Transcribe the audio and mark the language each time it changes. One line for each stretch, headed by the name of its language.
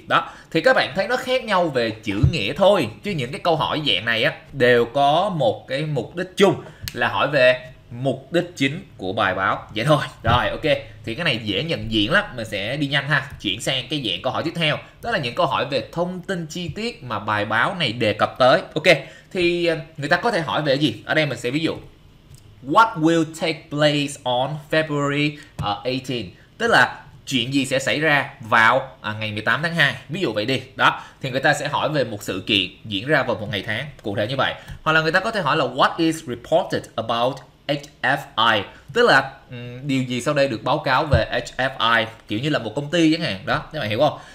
Vietnamese: Đó, thì các bạn thấy nó khác nhau về chữ nghĩa thôi, chứ những cái câu hỏi dạng này á đều có một cái mục đích chung là hỏi về mục đích chính của bài báo. Vậy thôi. Rồi, ok. Thì cái này dễ nhận diện lắm. Mình sẽ đi nhanh ha. Chuyển sang cái dạng câu hỏi tiếp theo. Đó là những câu hỏi về thông tin chi tiết mà bài báo này đề cập tới. Ok. Thì người ta có thể hỏi về gì? Ở đây mình sẽ ví dụ.
English: What will take place on February 18?
Vietnamese: Tức là chuyện gì sẽ xảy ra vào ngày 18 tháng 2. Ví dụ vậy đi. Đó. Thì người ta sẽ hỏi về một sự kiện diễn ra vào một ngày tháng. Cụ thể như vậy. Hoặc là người ta có thể hỏi là
English: what is reported about HFI,
Vietnamese: tức là điều gì sau đây được báo cáo về HFI, kiểu như là một công ty chẳng hạn. Đó, các bạn hiểu không?